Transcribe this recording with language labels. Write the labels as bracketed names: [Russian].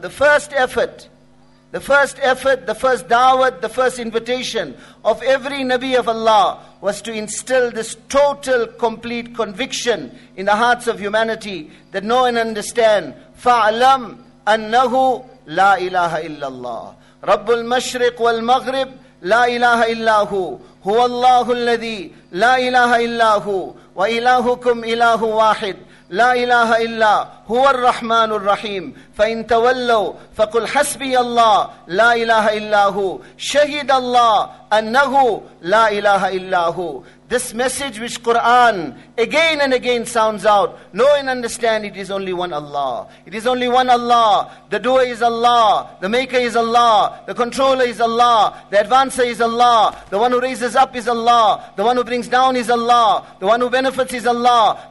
[English] The first effort, the first da'wat, the first invitation of every Nabi of Allah was to instill this total, complete conviction in the hearts of humanity that know and understand, [Arabic] fa'alam annahu La ilaha illallah. Rabbul Mashriq wal Maghrib, La ilaha illahu. هو الله الذي لا إله إلا هو وإلهكم إله واحد لا إله إلا هو الرحمن الرحيم فإن تولوا فقل حسبي الله لا إله إلا هو شهد الله أنه لا إله إلا هو. [English] This message which Quran again and again sounds out, know and understand it is only one Allah. It is only one Allah. The doer is Allah. The maker is Allah. The controller is Allah. The advancer is Allah. The one who raises up is Allah. The one who brings down is Allah. The one who benefits is Allah.